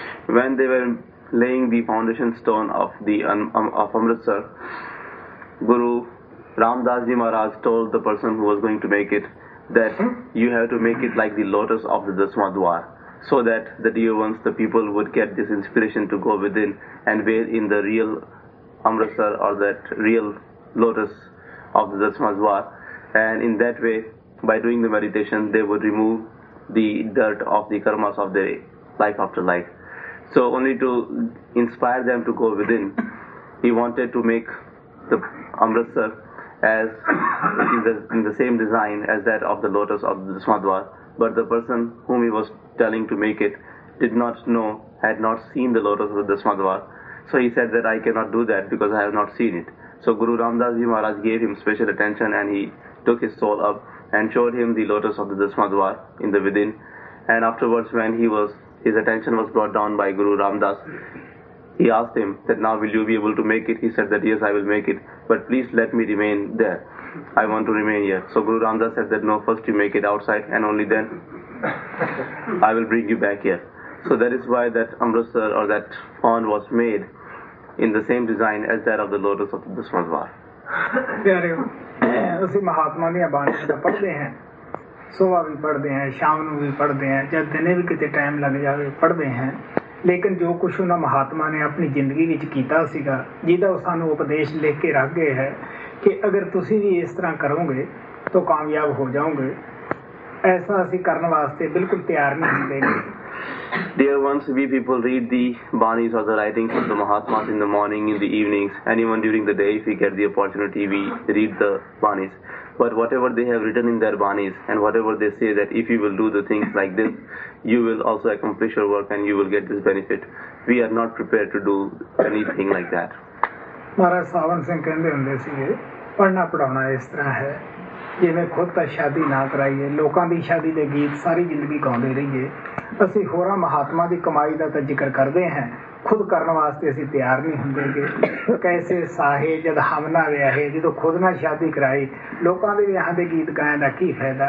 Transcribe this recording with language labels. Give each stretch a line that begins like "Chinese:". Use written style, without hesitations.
English: When they were laying the foundation stone of the of Amritsar, Guru Ramdas ji Maharaj told the person who was going to make it that you have to make it like the lotus of the dasvan duar, so that the dear ones, the people would get this inspiration to go within and bathe in the real Amritsar or that real lotus of the Dasmadwar. And in that way, by doing the meditation, they would remove the dirt of the karmas of their life after life. So only to inspire them to go within, he wanted to make the Amritsar as in the same design as that of the lotus of the Dasmadwar. But the person whom he was telling to make it did not know, had not seen the lotus of the Dasmadwar. So he said that I cannot do that because I have not seen it. So Guru Ramdas Ji Maharaj gave him special attention and he took his soul up and showed him the lotus of the Dasmadwar in the within. And afterwards when his attention was brought down by Guru Ramdas, he asked him that now will you be able to make it? He said that yes, I will make it, but please let me remain there. I want to remain here. So Guru Ramdas said that no, first you make it outside and only then I will bring you back here. So that is why that Amritsar or that pond was made in the same design as that of the lotus of the Dasmadwar.
Punjabi: ਪਿਆਰਿਓ, ਅਸੀਂ ਮਹਾਤਮਾ ਦੀਆਂ ਬਾਣੀਆਂ ਦਾ ਪੜ੍ਹਦੇ ਹਾਂ, ਸੁਬਹ ਵੀ ਪੜ੍ਹਦੇ ਹਾਂ, ਸ਼ਾਮ ਨੂੰ ਵੀ ਪੜ੍ਹਦੇ ਹਾਂ, ਜਾਂ ਦਿਨੇ ਵੀ ਕਿਤੇ ਟਾਈਮ ਲੱਗ ਜਾਵੇ ਪੜ੍ਹਦੇ ਹਾਂ। ਲੇਕਿਨ ਜੋ ਕੁਛ ਉਹਨਾਂ ਮਹਾਤਮਾ ਨੇ ਆਪਣੀ ਜ਼ਿੰਦਗੀ ਵਿੱਚ ਕੀਤਾ ਸੀਗਾ, ਜਿਹਦਾ ਉਹ ਸਾਨੂੰ ਉਪਦੇਸ਼ ਲਿਖ ਕੇ ਰੱਖ ਗਏ ਹੈ ਕਿ ਅਗਰ ਤੁਸੀਂ ਵੀ ਇਸ ਤਰ੍ਹਾਂ ਕਰੋਗੇ ਤਾਂ ਕਾਮਯਾਬ ਹੋ ਜਾਓਗੇ, ਐਸਾ ਅਸੀਂ ਕਰਨ ਵਾਸਤੇ ਬਿਲਕੁਲ ਤਿਆਰ ਨਹੀਂ ਹੁੰਦੇ।
English: Dear ones, we people read the Banis or the writings of the Mahatmas in the morning, in the evenings, and even during the day if we get the opportunity, we read the Banis. But whatever they have written in their Banis and whatever they say that if you will do the things like this, you will also accomplish your work and you will get this benefit, we are not prepared to do anything like that.
Punjabi: Maharaj Sawan Singh kehnde hunde sige, padhna padhauna is tarah hai, ਜਿਵੇਂ ਖੁਦ ਤਾਂ ਸ਼ਾਦੀ ਨਾ ਕਰਾਈਏ, ਲੋਕਾਂ ਦੀ ਸ਼ਾਦੀ ਦੇ ਗੀਤ ਸਾਰੀ ਜ਼ਿੰਦਗੀ ਗਾਉਂਦੇ ਰਹੀਏ, ਅਸੀਂ ਹੋਰਾਂ ਮਹਾਤਮਾ ਦੀ ਕਮਾਈ ਦਾ ਤਾਂ ਜ਼ਿਕਰ ਕਰਦੇ ਹਾਂ, ਖੁਦ ਕਰਨ ਵਾਸਤੇ ਅਸੀਂ ਤਿਆਰ ਨਹੀਂ ਹੁੰਦੇ ਗੇ। ਕੈਸੇ ਸਾਹੇ ਜਦ ਹਮ ਨਾ ਵਿਆਹੇ, ਜਦੋਂ ਖੁਦ ਨਾ ਸ਼ਾਦੀ ਕਰਾਈ, ਲੋਕਾਂ ਦੇ ਵਿਆਹਾਂ ਦੇ ਗੀਤ ਗਾਇਆਂ ਦਾ ਕੀ ਫਾਇਦਾ?